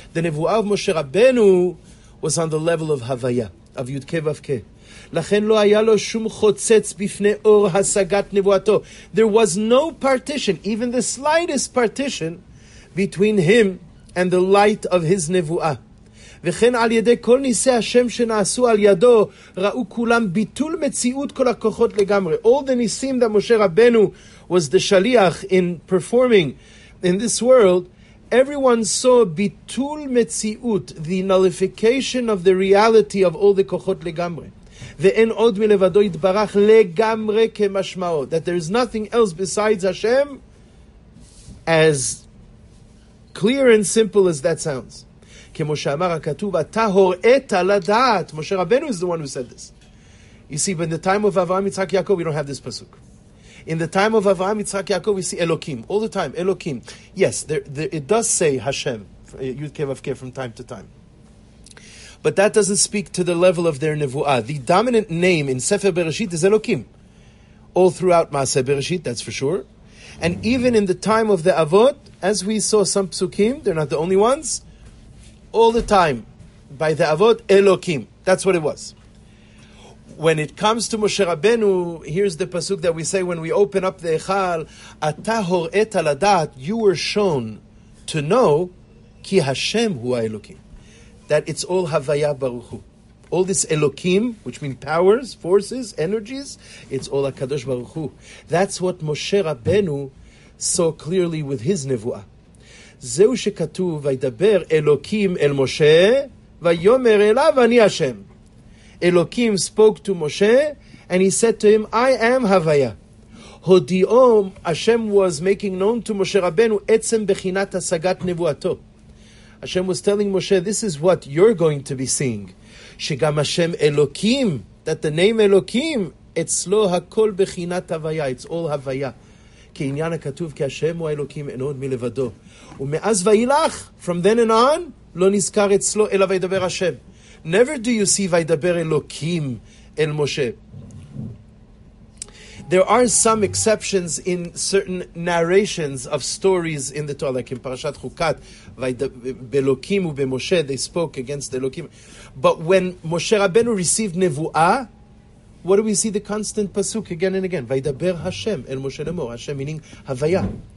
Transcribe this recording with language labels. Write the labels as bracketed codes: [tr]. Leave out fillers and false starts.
[en] The nevuah of Moshe Rabbeinu was on the level of havaya of yudkei vavkei. [he] Lachen lo haya lo shum chotzetz bifnei or hasagat nevuato. [en] There was no partition, even the slightest partition, between him and the light of his nevuah. [he] וכן על ידי כל ניסי השם שנעשו על ידו, ראו כולם ביטול מציאות כל הכוחות לגמרי. [en] All the nisim that Moshe Rabbeinu was the shaliach in performing in this world, everyone saw ביטול מציאות, the nullification of the reality of all the כוחות לגמרי. [he] ואין עוד מלבדו יתברך לגמרי כמשמעו. [en] That there is nothing else besides Hashem, as clear and simple as that sounds. [he] כמו שאמר הכתוב, אתה הוראת לדעת. [en] Moshe Rabbeinu is the one who said this. You see, in the time of Avraham, Yitzhak, Yaakov, we don't have this pasuk. In the time of Avraham, Yitzhak, Yaakov, we see Elohim. All the time, Elohim. Yes, there it does say Hashem, Yud-Kev-Av-Kev, from time to time. But that doesn't speak to the level of their nevuah. The dominant name in Sefer Bereshit is Elohim. All throughout Maaseh Bereshit, that's for sure. And even in the time of the Avot, as we saw some pasukim, they're not the only ones, all the time, by the Avot Elohim. That's what it was. When it comes to Moshe Rabbeinu, here's the pasuk that we say when we open up the Echal, Ata hor'et al adat, you were shown to know, ki Hashem hu ha'Elohim. That it's all Havaya Baruch Hu. All this Elohim, which means powers, forces, energies, it's all HaKadosh Baruch Hu. That's what Moshe Rabbeinu saw clearly with his nevuah. [he] זהו שכתוב, וידבר אלוקים אל משה, ויומר אליו, אני השם. [en] אלוקים spoke to Moshe, and he said to him, I am Havaya. הודיעום, Hashem was making known to Moshe Rabbeinu, עצם בחינת השגת נבואתו. Hashem was telling Moshe, this is what you're going to be seeing. [he] שגם השם אלוקים, that the name אלוקים, אצלו הכל בחינת הוויה, it's all הוויה. כעניין הכתוב, כי השם הוא האלוקים, אין עוד מלבדו. ומאז ואילך, from then and on, לא נזכר אצלו, אלא וידבר השם. Never do you see וידבר אלוקים El Moshe. [en] There are some exceptions in certain narrations of stories in the Torah, like in Parashat Chukat, Elokim uBemoshe, they spoke against Elokim. But when Moshe Rabbeinu received Nevuah, what do we see? The constant pasuk again and again, Vaydaber Hashem El Moshe Lemor, Hashem meaning Havaya.